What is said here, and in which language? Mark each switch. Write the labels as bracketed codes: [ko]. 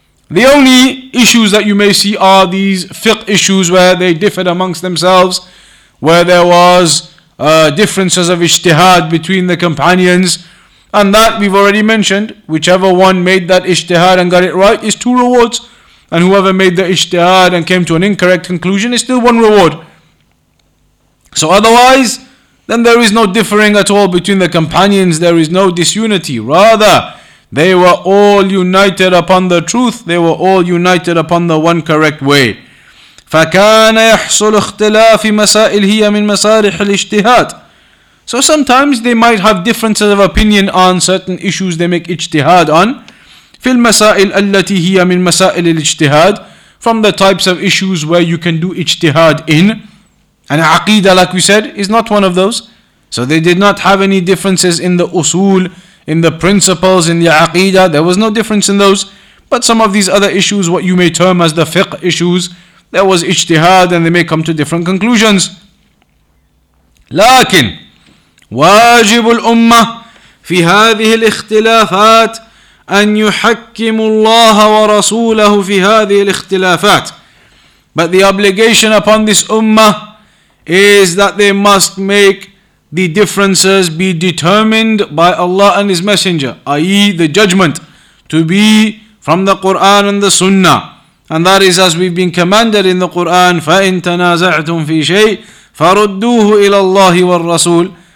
[en] The only issues that you may see are these fiqh issues where they differed amongst themselves, where there was differences of ijtihad between the companions, and that we've already mentioned, whichever one made that ijtihad and got it right is two rewards, and whoever made the ijtihad and came to an incorrect conclusion is still one reward. So otherwise, then there is no differing at all between the companions, there is no disunity. Rather, they were all united upon the truth, they were all united upon the one correct way. [ar] فكان يحصل اختلاف مسائل هي من مسارح الاجتهاد. [en] So sometimes they might have differences of opinion on certain issues they make اجتهاد on. [ar] في المسائل التي هي من مسائل الاجتهاد. [en] From the types of issues where you can do اجتهاد in. And عقيدة, like we said, is not one of those. So they did not have any differences in the أصول, in the principles, in the عقيدة. There was no difference in those. But some of these other issues, what you may term as the fiqh issues, there was اجتهاد and they may come to different conclusions. [ar] لكن واجب الأمة في هذه الاختلافات أن يحكم الله ورسوله في هذه الاختلافات. [en] But the obligation upon this ummah is that they must make the differences be determined by Allah and His Messenger, i.e. the judgment, to be from the Qur'an and the Sunnah. And that is as we've been commanded in the Qur'an, [ar] فَإِن تَنَازَعْتُمْ فِي شَيْءٍ فَرُدُّوهُ إِلَى اللَّهِ وَالرَّسُولِ.